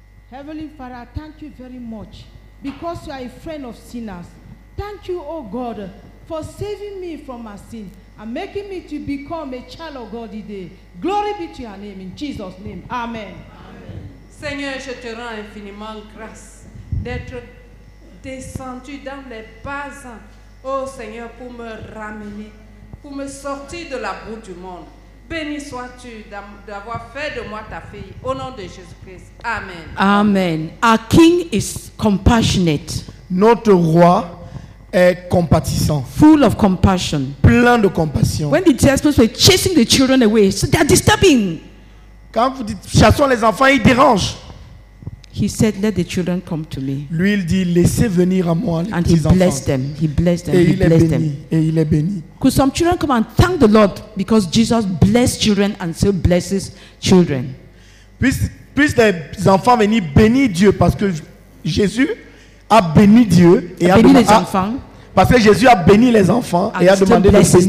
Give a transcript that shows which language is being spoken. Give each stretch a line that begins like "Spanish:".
English: Heavenly Father, thank you very much because you are a friend of sinners. Thank you, oh God, for saving me from my sin and making me to become a child of God today. Glory be to your name, in Jesus' name. Amen. Amen.
French: Seigneur, je te rends infiniment grâce d'être descendu dans les bas, oh Seigneur, pour me ramener, pour me sortir de la boue du monde. Béni sois-tu d'avoir fait de moi ta fille. Au nom de Jésus-Christ. Amen.
English: Amen. Our King is compassionate.
French: Notre roi est compatissant.
English: Full of compassion.
French: Plein de compassion.
English: When the disciples were chasing the children away, so they are disturbing.
French: Quand vous dites, chassons les enfants, ils dérangent.
English: He said, "Let the children come to me."
French: Lui, il dit, laissez venir à moi les petits enfants.
English: And he blessed them. He blessed them.
French: Et
English: he blessed them.
French: Et il est béni.
English: Could some children come and thank the Lord because Jesus blessed children and still blesses children?
French: Puisse les enfants venir bénir Dieu parce que Jésus a béni Dieu et a béni les enfants. Parce que Jésus a béni les enfants et a demandé de bénir